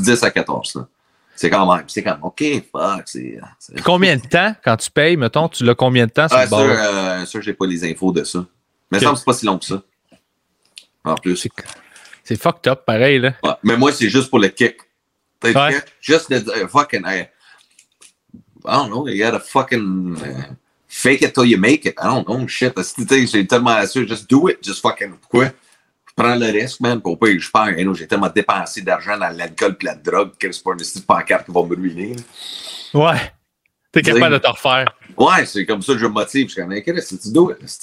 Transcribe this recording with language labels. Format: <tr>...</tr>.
<fr>10 à 14. Là. C'est quand même. C'est quand même. OK, fuck. C'est... Combien de temps quand tu payes, mettons, tu l'as combien de temps sur le bord? Sûr, j'ai pas les infos de ça. Mais ça, c'est pas si long que ça. En plus. C'est fucked up, pareil, là. Ouais, mais moi, c'est juste pour le kick. T'as ouais. Juste le fucking.</fr> <en>I don't know. You gotta fucking fake it till you make it. I don't know. Shit.</en> <fr>C'est tellement sûr.</fr> <en>Just do it. Just fucking.</en> <fr>Pourquoi? Prends le risque, man, pour pas y faire. J'ai tellement dépensé d'argent dans l'alcool et la drogue que c'est pas un petit pancarte qui va me ruiner. Ouais. T'es capable de te refaire. Ouais, c'est comme ça que je me motive. Je suis comme, qu'est-ce que tu dois?</fr>